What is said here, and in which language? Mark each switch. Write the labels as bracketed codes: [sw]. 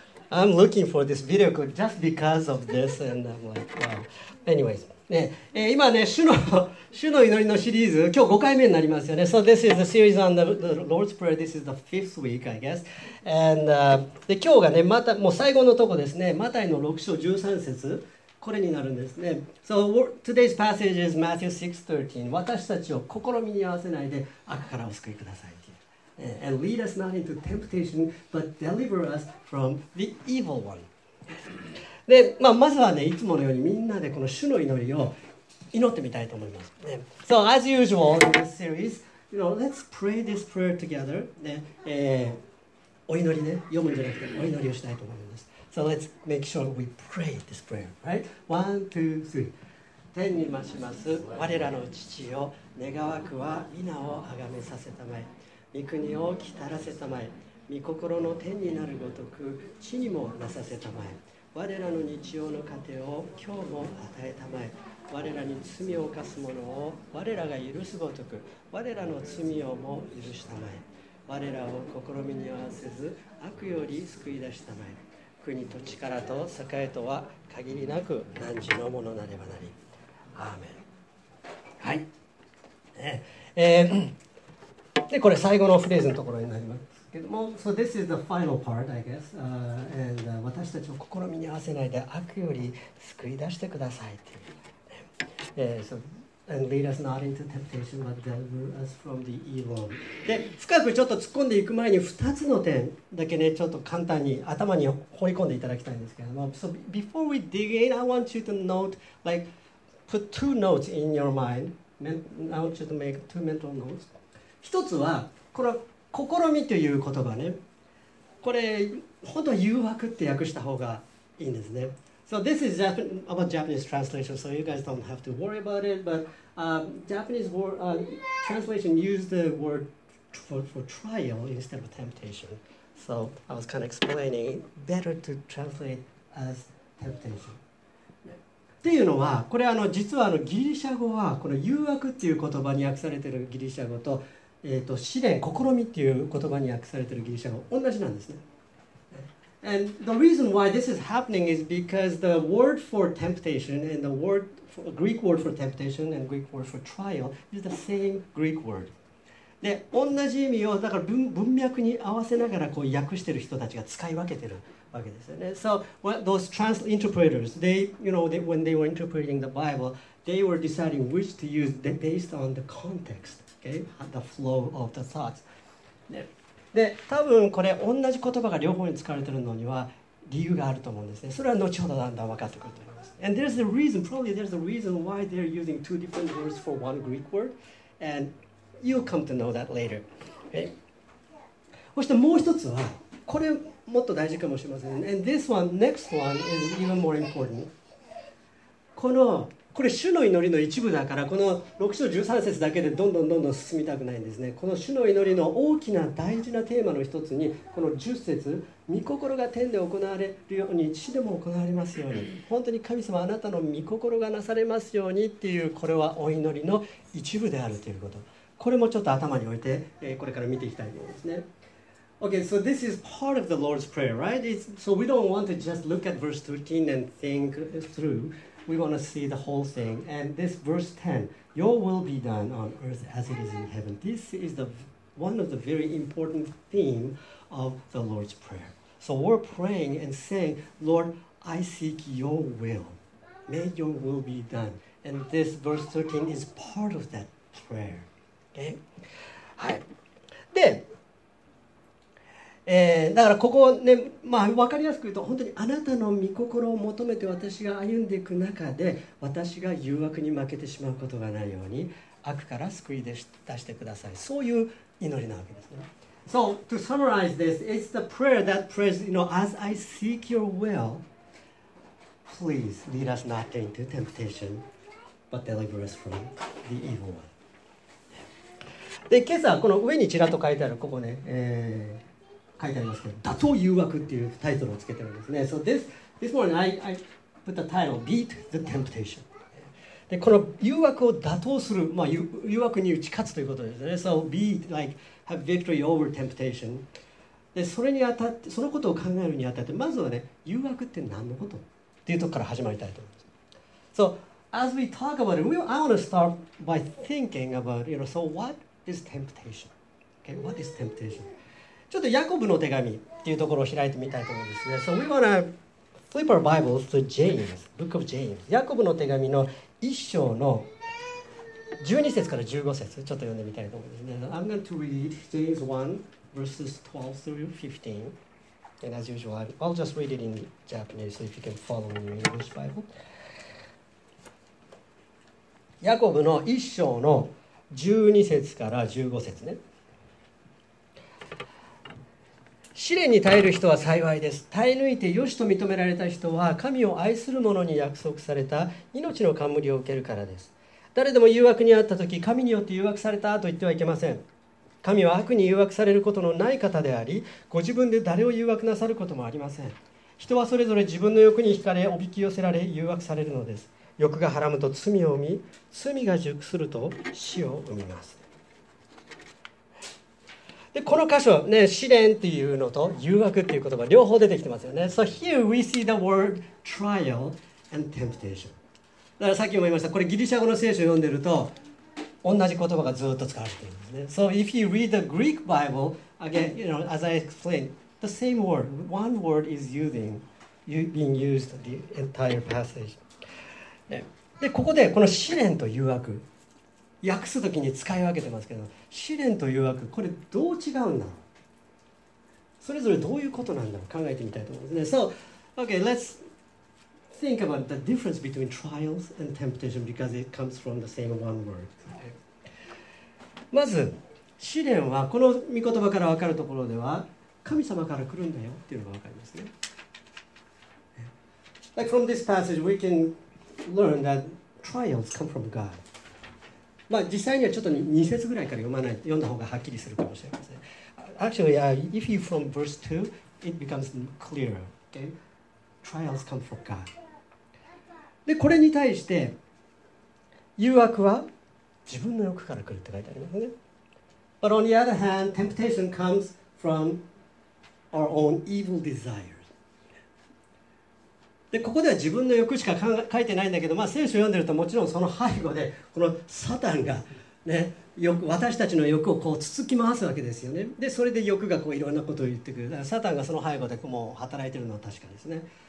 [en] I'm looking for this video clip just because of this, and I'm like, wow. [ja] Anyways, ね、今ね、主の祈りのシリーズ、今日5回目になりますよね。 [en] So this is a series on the Lord's Prayer. This is the fifth week, I guess. [ja] And、で今日がね、またもう最後のとこですね。マタイの6章13節、これになるんですね。 [en] So today's passage is Matthew 6:13. [ja] 私たちを試みに合わせないで悪からお救いください。 [en] And lead us not into temptation, but deliver us from the evil one. [ja] で、まあ、まずはね、いつものようにみんなでこの主の祈りを祈ってみたいと思います。 [en] ね、so as usual in this series, you know, let's pray this prayer together.、 [ja] ねお祈りね、読むんじゃなくてお祈りをしたいと思います。 [en] So let's make sure we pray this prayer, right? One, two, three. [ja] 天にまします、我らの父よ、願わくは皆をあがめさせたまえ。御国を来たらせたまえ、御心の天になるごとく地にもなさせたまえ、我らの日曜の糧を今日も与えたまえ、我らに罪を犯す者を我らが許すごとく、我らの罪をも許したまえ、我らを試みに合わせず悪より救い出したまえ、国と力と栄とは限りなく何時のものなればなり。アーメン。はい。でこれ最後のフレーズのところになりますけども、 [en] So this is the final part, I guess. [ja] And 私たちを試みに合わせないで悪より救い出してくださいっていう。 [en] And lead us not into temptation, but deliver us from the evil. [ja] で深くちょっと突っ込んでいく前に2つの点だけね、ちょっと簡単に頭に放り込んでいただきたいんですけども、 [en] So before we dig in, I want you to note, like, put two notes in your mind. I want you to make two mental notes. [ja] 一つはこの試みという言葉ね、これ本当は誘惑って訳した方がいいんですね。 [en] So this is about Japanese translation, so you guys don't have to worry about it. But Japanese word, translation used the word for trial instead of temptation. So I was kind of explaining better to translate as temptation. [ja] っていうのは、これあの実はあのギリシャ語はこの誘惑っていう言葉に訳されているギリシャ語と、試練、試みっていう言葉に訳されているギリシャ語同じなんですね。 [en] And the reason why this is happening is because the word for temptation and the word for, Greek word for temptation and Greek word for trial is the same Greek word. [ja] で、同じ意味をだから 文脈に合わせながらこう訳している人たちが使い分けている。 [en] So well, those interpreters, they, you know, they, when they were interpreting the Bible, they were deciding which to use based on the context, okay, the flow of the thoughts. [ja] で、多分これ同じ言葉が両方に使われているのには理由があると思うんですね。それは後ほどだんだん分かってくると思います。 [en] And there's a reason, probably there's a reason why they're using two different words for one Greek word, and you'll come to know that later. Okay? And this one, next one, is even more important. [ja] これ主の祈りの一部だからこの6章13節だけでどんどんどんどん進みたくないんですね。この主の祈りの大きな大事なテーマの一つにこの10節、御心が天で行われるように地でも行われますように、本当に神様あなたの御心がなされますようにっていう、これはお祈りの一部であるということ、これもちょっと頭に置いてこれから見ていきたいと思いますね。 [en] Okay, so this is part of the Lord's Prayer, right? So we don't want to just look at verse 13 and think throughWe want to see the whole thing. And this verse 10, Your will be done on earth as it is in heaven. This is the one of the very important theme of the Lord's Prayer. So we're praying and saying, Lord, I seek your will. May your will be done. And this verse 13 is part of that prayer. Okay? [ja] はい。で、だからここね、まあ、分かりやすく言うと、本当にあなたの御心を求めて私が歩んでいく中で、私が誘惑に負けてしまうことがないように、悪から救い出してください。そういう祈りなわけですね。 [en] So, to summarize this, it's the prayer that prays, you know, as I seek your will, please lead us not into temptation, but deliver us from the evil one. [ja] で、今朝、この上にちらっと書いてある、ここね、書いてありますけど、打倒誘惑っていうタイトルをつけてるんですね。 [en] So this morning I put the title Beat the Temptation。 [ja] で、この誘惑を打倒する、まあ、誘惑に打ち勝つということですね。 [en] So beat like have victory over temptation。 [ja] で、それにあたって、そのことを考えるにあたって、まずはね、誘惑って何のことっていうとこから始まりたいと思います。 [en] So as we talk about it, I want to start by thinking about, you know, so what is temptation? Okay, what is temptation? [ja] ちょっとヤコブの手紙っていうところを開いてみたいと思うんですね。 [en] So we wanna flip our Bibles to James, Book of James. [ja] ヤコブの手紙の1章の12節から15節、ちょっと読んでみたいと思うんですね。 [en] I'm going to read James 1, verses 12 through 15. And as usual, I'll just read it in Japanese, so if you can follow in your English Bible. [ja] ヤコブの1章の12節から15節ね。試練に耐える人は幸いです。耐え抜いて良しと認められた人は、神を愛する者に約束された命の冠を受けるからです。誰でも誘惑にあったとき、神によって誘惑されたと言ってはいけません。神は悪に誘惑されることのない方であり、ご自分で誰を誘惑なさることもありません。人はそれぞれ自分の欲に惹かれ、おびき寄せられ、誘惑されるのです。欲がはらむと罪を生み、罪が熟すると死を生みます。でこの箇所、ね、試練っていうのと誘惑っていう言葉両方出てきてますよね。 [en] So here we see the word trial and temptation. [ja] だからさっきも言いました、これギリシャ語の聖書を読んでると同じ言葉がずっと使われているんですね。 [en] So if you read the Greek Bible, again, you know, as I explained, the same word, one word is being used the entire passage.、 [ja] ね、でここでこの試練と誘惑、訳すときに使い分けてますけど、試練と誘惑、これどう違うんだろう、それぞれどういうことなんだろう、考えてみたいと思うんですね。 [en] So, okay, let's think about the difference between trials and temptation because it comes from the same one word. [ja] まず、試練はこの御言葉から分かるところでは、神様から来るんだよっていうのが分かりますね。 [en] Like from this passage, we can learn that trials come from God. まあ、実際にはちょっと2節ぐらいから読まない、読んだ方がはっきりするかもしれません。 Actually, if you from verse 2, it becomes clearer. Okay? Trials come from God. [ja] で、これに対して、誘惑は自分の欲から来るって書いてありますね。 [en] But on the other hand, temptation comes from our own evil desire. [ja] でここでは自分の欲しか書いてないんだけど、まあ、聖書を読んでるともちろんその背後でこのサタンが、ね、よく私たちの欲をこうつつき回すわけですよね。でそれで欲がこういろんなことを言ってくる。だからサタンがその背後でもう働いてるのは確かですね。